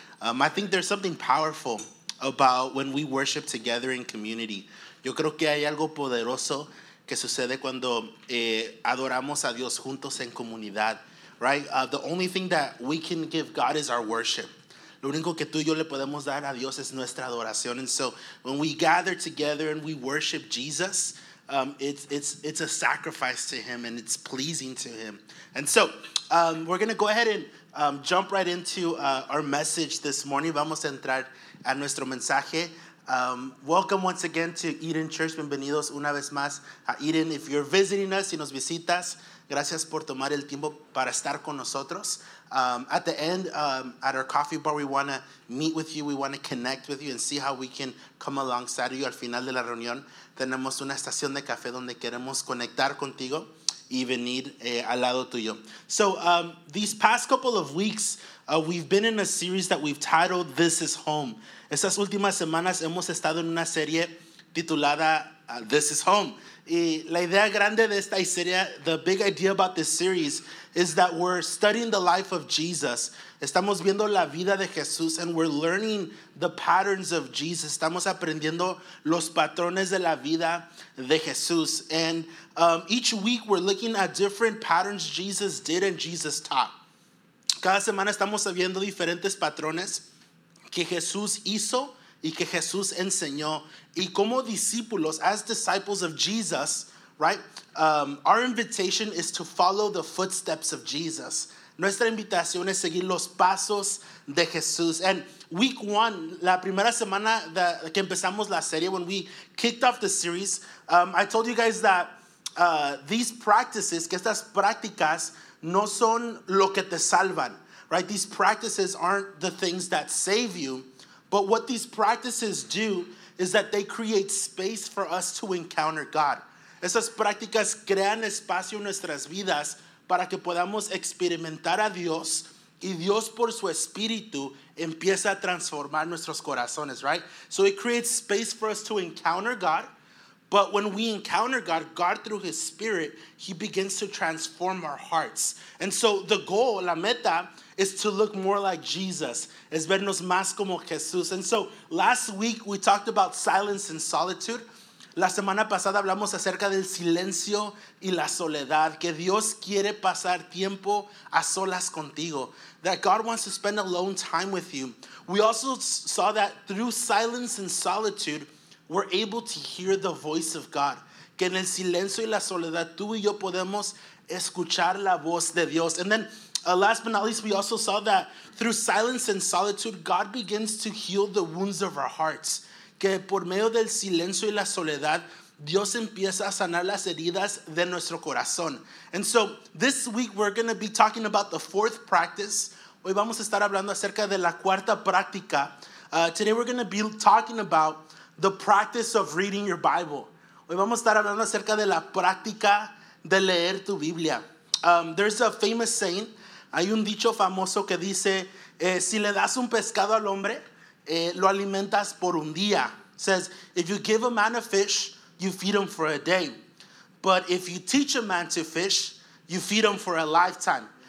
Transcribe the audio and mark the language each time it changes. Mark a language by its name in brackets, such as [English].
[English] I think there's something powerful about when we worship together in community. [Spanish] Yo creo que hay algo poderoso que sucede cuando adoramos a Dios juntos en comunidad, [English] right? The only thing that we can give God is our worship. [Spanish] Lo único que tú y yo le podemos dar a Dios es nuestra adoración. [English] And so when we gather together and we worship Jesus, it's a sacrifice to him and it's pleasing to him. And so we're going to go ahead and jump right into our message this morning. [Spanish] Vamos a entrar a nuestro mensaje. [English] Welcome once again to Eden Church. [Spanish] Bienvenidos una vez más a Eden. [English] If you're visiting us [Spanish] y nos visitas, gracias por tomar el tiempo para estar con nosotros. [English] At the end, at our coffee bar, we want to meet with you. We want to connect with you and see how we can come alongside you. [Spanish] Al final de la reunión, tenemos una estación de café donde queremos conectar contigo y venir al lado tuyo. [English] So these past couple of weeks, we've been in a series that we've titled This Is Home. [Spanish] Estas últimas semanas hemos estado en una serie titulada This Is Home. Y la idea grande de esta serie, [English] the big idea about this series, is that we're studying the life of Jesus. [Spanish] Estamos viendo la vida de Jesús, [English] and we're learning the patterns of Jesus. [Spanish] Estamos aprendiendo los patrones de la vida de Jesús. [English] And each week we're looking at different patterns Jesus did and Jesus taught. [Spanish] Cada semana estamos viendo diferentes patrones que Jesús hizo y que Jesús enseñó. Y como discípulos, [English] as disciples of Jesus, right? Our invitation is to follow the footsteps of Jesus. [Spanish] Nuestra invitación es seguir los pasos de Jesús. [English] And week one, [Spanish] la primera semana que empezamos la serie, [English] when we kicked off the series, I told you guys that these practices, [Spanish] que estas prácticas, no son lo que te salvan, [English] right? These practices aren't the things that save you. But what these practices do is that they create space for us to encounter God. [Spanish] Esas prácticas crean espacio en nuestras vidas para que podamos experimentar a Dios, y Dios por su espíritu empieza a transformar nuestros corazones, [English] right? So it creates space for us to encounter God, but when we encounter God, God through his spirit, he begins to transform our hearts. And so the goal, [Spanish] la meta, [English] is to look more like Jesus, [Spanish] es vernos más como Jesús. [English] And so last week we talked about silence and solitude. [Spanish] La semana pasada hablamos acerca del silencio y la soledad, que Dios quiere pasar tiempo a solas contigo, [English] that God wants to spend alone time with you. We also saw that through silence and solitude, we're able to hear the voice of God, [Spanish] que en el silencio y la soledad tú y yo podemos escuchar la voz de Dios. [English] And then last but not least, we also saw that through silence and solitude, God begins to heal the wounds of our hearts. [Spanish] Que por medio del silencio y la soledad, Dios empieza a sanar las heridas de nuestro corazón. [English] And so this week we're going to be talking about the fourth practice. [Spanish] Hoy vamos a estar hablando acerca de la cuarta práctica. [English] Today we're going to be talking about the practice of reading your Bible. [Spanish] Hoy vamos a estar hablando acerca de la práctica de leer tu Biblia. [English] There's a famous saying, [Spanish] hay un dicho famoso que dice, si le das un pescado al hombre, lo alimentas por un día. [English] It says, if you give a man a fish, you feed him for a day. But if you teach a man to fish, you feed him for a lifetime.